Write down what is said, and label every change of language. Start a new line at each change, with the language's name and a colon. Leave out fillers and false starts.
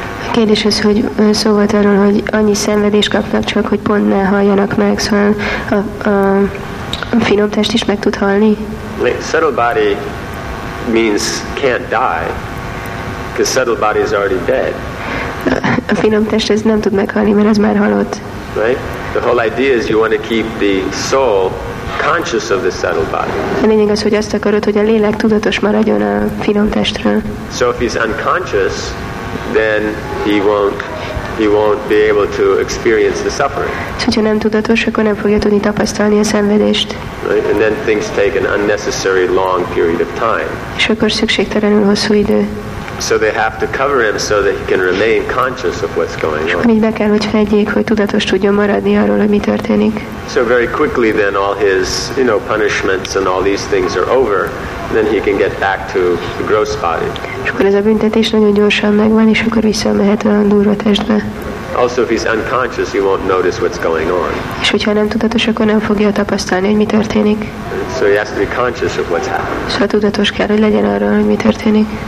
Hungarian: Kérdés az, hogy szó volt arról, hogy annyi szenvedést kapnak csak, hogy pont ne halljanak meg, szóval a finom test is meg tud halni.
English: Subtle body means can't die, because subtle body is already dead.
Hungarian: A finom test ez nem tud meghalni, mert ez már halott.
English: Right? The whole idea is you want to keep the soul conscious of the subtle body.
Hungarian: A lényeg az, hogy azt akarod, hogy a lélek tudatos maradjon a finom testről.
English: So if he's unconscious, then he won't be able to experience the suffering.
Hungarian: Hogyha nem tudatos, akkor nem fogja tudni tapasztalni a szenvedést.
English: Right? And then things take an unnecessary long period of time.
Hungarian: És akkor szükségtelenül hosszú idő.
English: So they have to cover him so that he can remain conscious of what's going on.
Hungarian: Mindbe kell, hogy fedjék, hogy tudatos tudjon maradni arról, hogy mi történik.
English: So very quickly then all his, you know, punishments and all these things are over, then he can get back to the gross body.
Hungarian: És akkor ez a büntetés nagyon gyorsan megvan, és akkor visszamehet a durva testbe.
English: Also if he's unconscious, he won't notice what's going on.
Hungarian: És hogyha nem tudatos, akkor nem fogja tapasztalni, hogy mi történik.
English: So he has to be conscious of what's happening.
Hungarian: Szóval tudatos kell, hogy legyen arról, hogy mi történik.